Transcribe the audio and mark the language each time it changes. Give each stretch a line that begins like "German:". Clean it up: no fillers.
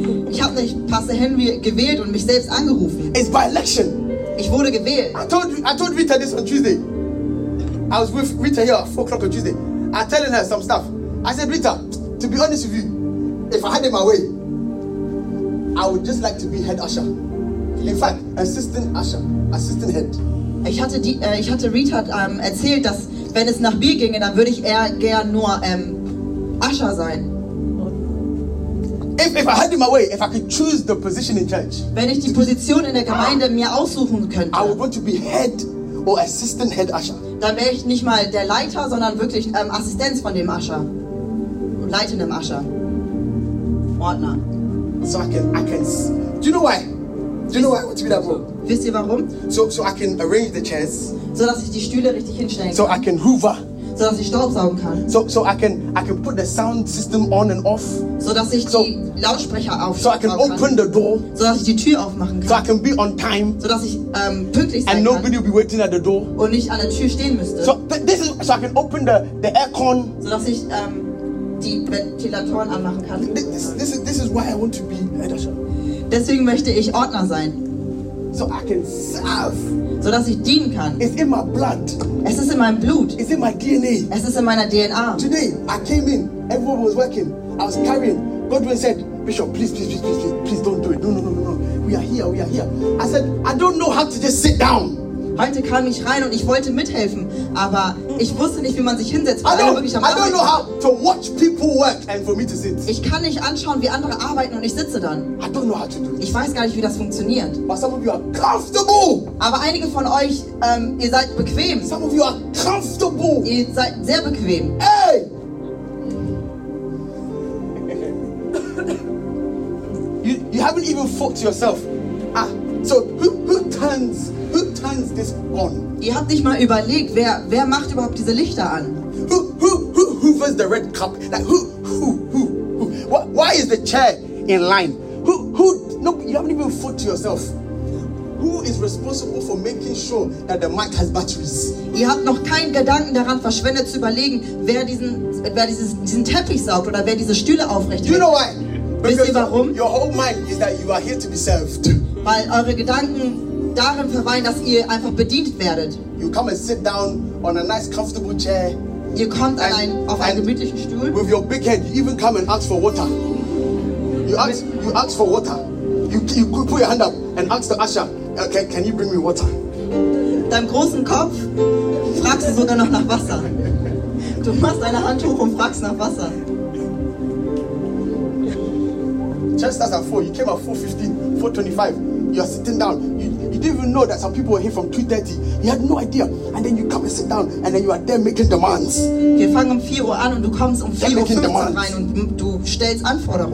German: Ich habe nicht Pastor Henry gewählt und mich selbst angerufen.
English: It's by election.
German: Ich wurde gewählt.
English: I told Rita this on Tuesday. I was with Rita here at 4 o'clock on Tuesday. I'm telling her some stuff. I said, Rita, to be honest with you, if I had it my way, I would just like to be head usher. In fact, assistant usher, assistant head.
German: Ich hatte Rita erzählt, dass wenn es nach mir ginge, dann würde ich eher gern nur Usher sein.
English: If I had it my way, if I could choose the position in church,
German: wenn ich die Position in der Gemeinde mir aussuchen könnte,
English: I would want to be head or assistant head usher.
German: Dann wäre ich nicht mal der Leiter, sondern wirklich Assistenz von dem Usher. Leitendem Usher. Ordner.
English: So I can. Do you know why? Do you know why I want to be that role?
German: Wisst ihr warum?
English: So I can arrange the chairs.
German: So dass ich die Stühle richtig hinstellen kann.
English: So I can hoover.
German: So dass ich staubsaugen kann.
English: So I can put the sound system on and off.
German: So dass ich die Lautsprecher aufschalten kann.
English: So I can open the door.
German: So dass ich die Tür aufmachen kann.
English: So I can be on time.
German: So dass ich pünktlich sein kann.
English: And nobody will be waiting at the door.
German: Und nicht an der Tür stehen müsste.
English: So I can open the aircon.
German: So dass ich die Ventilatoren anmachen kann.
English: This is why I want to be head usher.
German: Deswegen möchte ich Ordner sein.
English: So I can serve.
German: So dass ich dienen kann.
English: It's in my blood.
German: Es ist in meinem Blut.
English: It's in my DNA.
German: Es ist in meiner DNA.
English: Today I came in. Everyone was working. I was carrying. Godwin said, Bishop, please don't do it. No. We are here. I said, I don't know how to just sit down.
German: Heute kam ich rein und ich wollte mithelfen, aber ich wusste nicht, wie man sich hinsetzt.
English: I don't know how to watch people work and for me to sit.
German: Ich kann nicht anschauen, wie andere arbeiten und ich sitze dann.
English: I don't know how to do this.
German: Ich weiß gar nicht, wie das funktioniert.
English: But some of you are comfortable.
German: Aber einige von euch, ihr seid bequem.
English: Some of you are comfortable.
German: Ihr seid sehr bequem. Hey!
English: you haven't even thought to yourself. So who turns this on?
German: Ihr habt nicht mal überlegt, wer macht überhaupt diese Lichter an?
English: Who hoovers the red cup? Like who? Why is the chair in line? No, you haven't even thought to yourself. Who is responsible for making sure that the mic has batteries?
German: Ihr habt noch keinen Gedanken daran verschwendet zu überlegen, wer diesen Teppich saugt oder wer diese Stühle aufrecht hält.
English: You know why?
German: Wisst ihr warum?
English: Your whole mind is that you are here to be served.
German: Weil eure Gedanken darin verweilen, dass ihr einfach bedient werdet.
English: You come and sit down on a nice comfortable chair.
German: Ihr kommt auf einen gemütlichen Stuhl.
English: With your big head, you even come and ask for water. You ask for water. you put your hand up and ask the usher, okay, can you bring me water?
German: Deinem großen Kopf fragst du sogar noch nach Wasser. Du machst deine Hand hoch und fragst nach Wasser.
English: Just as at 4, you came at 4:15, 4:25, you are sitting down. You didn't even know that some people were here from 2:30. You had no idea. And then you come and sit down and then you are there making demands.
German: Wir fangen um 4 Uhr an und du kommst um 4:15 rein und du stellst Anforderungen.